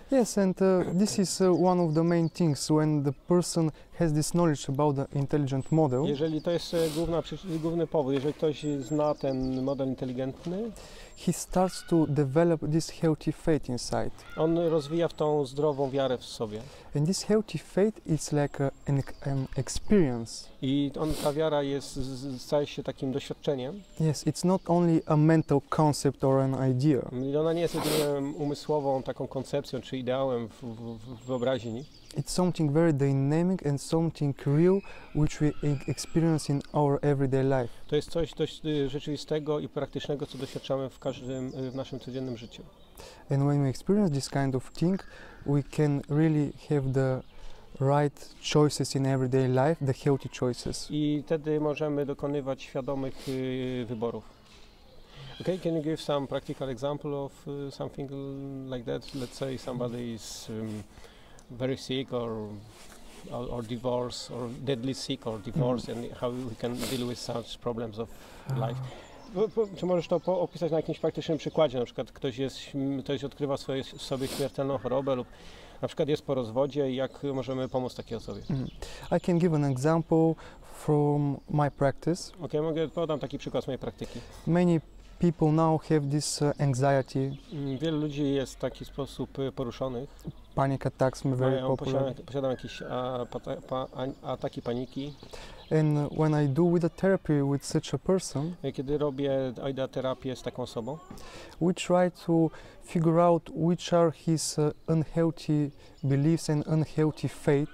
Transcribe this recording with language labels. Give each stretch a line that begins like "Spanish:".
English: Yes, and this is one of the main things when the person has this knowledge about the intelligent model.
Polish: Jeżeli to jest główny powód, jeżeli ktoś zna ten model inteligentny,
English: he starts to develop this healthy faith inside.
Polish: On rozwija w tą zdrową wiarę w sobie.
English: And this healthy faith is like an experience.
Polish: I ta wiara jest staje się takim doświadczeniem.
English: Yes, it's not only a mental concept or an idea.
Polish: I ona nie jest jedynie umysłową taką koncepcją czy ideałem w wyobraźni.
English: It's something very dynamic and something real, which we experience in our everyday life.
Polish: To jest coś dość rzeczywistego i praktycznego, co doświadczamy w naszym codziennym życiu.
English: And when we experience this kind of thing, we can really have the right choices in everyday life, the healthy choices.
Polish: I wtedy możemy dokonywać świadomych wyborów.
English: Okay, can you give some practical example of something like that? Let's say somebody is very sick or divorce or deadly sick or divorce and how we can deal with such problems of life.
Polish: Czy możesz to opisać na jakimś praktycznym przykładzie? Na przykład ktoś odkrywa sobie śmiertelną chorobę lub na przykład jest po rozwodzie, jak możemy pomóc takiej osobie?
English: I can give an example from my practice.
Polish: Okay, mogę podam taki przykład z mojej praktyki.
English: Many people now have this anxiety.
Polish: Wielu ludzi jest w taki sposób poruszonych.
English: Panic attacks are very popular.
Polish: Posiadam jakieś ataki paniki.
English: And when I do with a therapy with such a person,
Polish: kiedy robię AIDA terapię z taką osobą,
English: we try to figure out which are his unhealthy beliefs and unhealthy faith.